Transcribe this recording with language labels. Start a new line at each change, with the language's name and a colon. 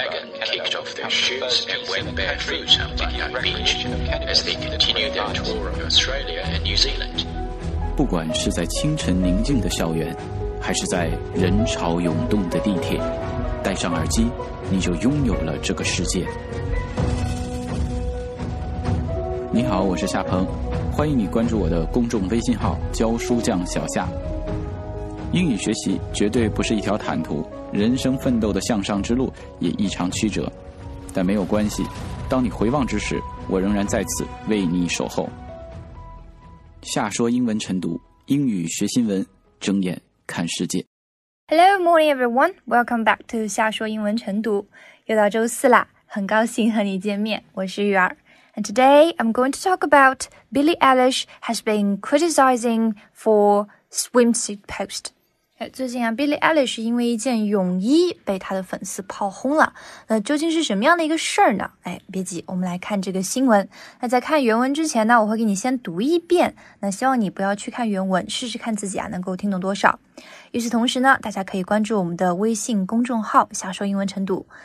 English: Meghan kicked off their shoots and went barefoot on the unknown beach as they continued their tour of Australia and New Zealand.
Chinese: 不管是在清晨宁静的校园，还是在人潮涌动的地铁，戴上耳机，你就拥有了这个世界。你好，我是夏鹏，欢迎你关注我的公众微信号教书匠小夏。英语学习绝对不是一条坦途，人生奋斗的向上之路也异常曲折，但没有关系，当你回望之时，我仍然在此为你守候。夏说英文晨读，英语学新闻，睁眼看世界。
English: Hello, morning everyone. Welcome back to 夏说英文晨读。
Chinese: 又到周四啦，很高兴和你见面，我是玉儿。
English: And today, I'm going to talk about Billie Eilish has been criticizing for swimsuit post.
Chinese: 最近啊 ,Billie Eilish 因为一件泳衣被她的粉丝炮轰了。那究竟是什么样的一个事儿呢？哎，别急，我们来看这个新闻。那在看原文之前呢，我会给你先读一遍。那希望你不要去看原文，试试看自己啊能够听懂多少。与此同时呢，大家可以关注我们的微信公众号夏说英文晨读。